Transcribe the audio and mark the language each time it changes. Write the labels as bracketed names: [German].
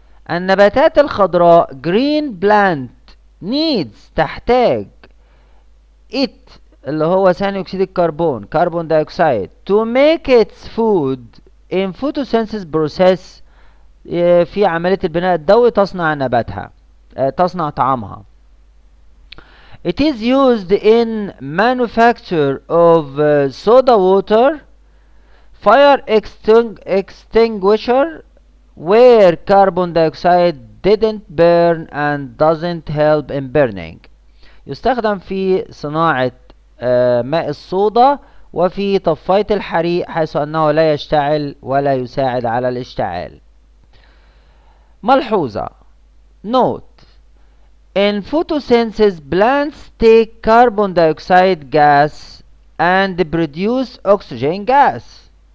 [Arabic] النباتات الخضراء [English] green plant needs [Arabic] تحتاج [English] it [Arabic] اللي هو ثاني أكسيد الكربون [English] carbon dioxide to make its food in photosynthesis process. [Arabic] في عملية البناء الضوئي تصنع نباتها تصنع طعامها. [English] It is used in manufacture of soda water, fire extinguisher where carbon dioxide didn't burn and doesn't help in burning. [Arabic] يستخدم في صناعة ماء الصودا وفي طفاية الحريق حيث أنه لا يشتعل ولا يساعد على الاشتعال. [English] ملحوظة. Note: In photosynthesis, plants take carbon dioxide gas and produce oxygen gas.